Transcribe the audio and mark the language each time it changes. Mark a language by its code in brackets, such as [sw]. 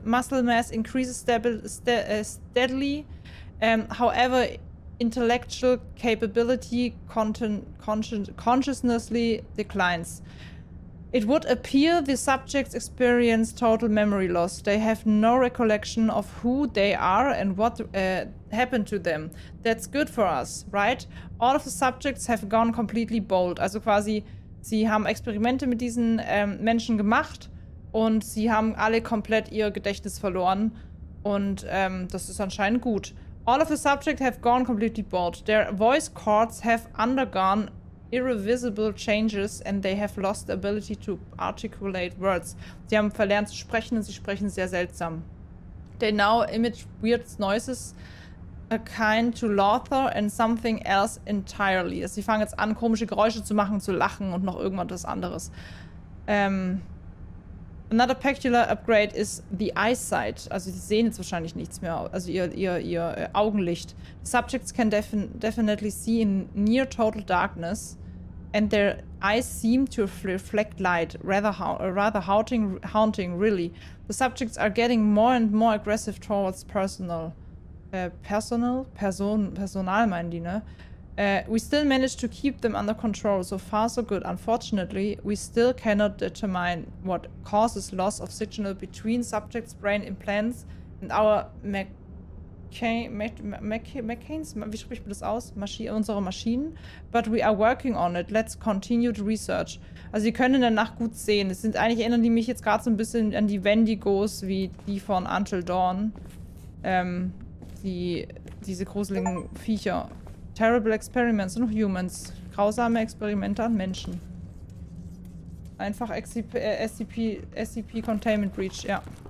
[en] Muscle mass increases steadily, however, intellectual capability consciously declines. It would appear the subjects experience total memory loss. They have no recollection of who they are and what happened to them. That's good for us, right? All of the subjects have gone completely bald. [de] Also quasi, sie haben Experimente mit diesen Menschen gemacht und sie haben alle komplett ihr Gedächtnis verloren. Und das ist anscheinend gut. [en] All of the subjects have gone completely bald. Their voice cords have undergone irreversible changes and they have lost the ability to articulate words. [de] Sie haben verlernt zu sprechen und sie sprechen sehr seltsam. [en] They now image weird noises akin to laughter and something else entirely. [de] Sie fangen jetzt an, komische Geräusche zu machen, zu lachen und noch irgendwas anderes. [en] Another peculiar upgrade is the eyesight. [de] Also sie sehen jetzt wahrscheinlich nichts mehr. Also ihr Augenlicht. [en] The subjects can definitely see in near total darkness and their eyes seem to reflect light. Rather haunting, really. The subjects are getting more and more aggressive towards personal. [de] Personal meinen die, ne? [en] We still managed to keep them under control. So far, so good. Unfortunately, we still cannot determine what causes loss of signal between subjects' brain implants and our [de] unsere Maschinen. [en] But we are working on it. Let's continue the research. [de] Also, sie können danach gut sehen. Es sind eigentlich, erinnern die mich jetzt gerade so ein bisschen an die Wendigos wie die von Until Dawn. Diese gruseligen Viecher. [en] Terrible experiments on humans. [de] Grausame Experimente an Menschen. Einfach SCP Containment Breach, ja.